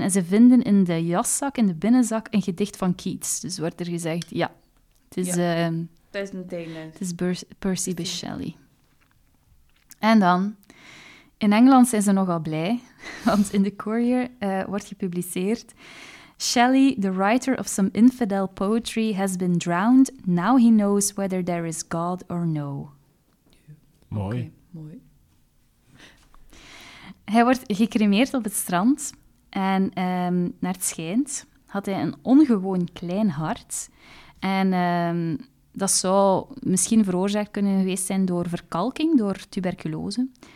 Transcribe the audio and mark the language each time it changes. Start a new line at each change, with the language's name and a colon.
Dutch: En ze vinden in de jaszak, in de binnenzak, een gedicht van Keats. Dus wordt er gezegd, ja. Het is... Het is een ding. Het is Percy B. Shelley. En dan... In Engeland zijn ze nogal blij. Want in The Courier wordt gepubliceerd...
English: Shelley, the writer of some infidel poetry, has been drowned. Now he knows whether there is God or no.
Dutch: Mooi. Okay, mooi. Hij wordt gecremeerd op het strand. En naar het schijnt had hij een ongewoon klein hart. En dat zou misschien veroorzaakt kunnen geweest zijn door verkalking, door tuberculose.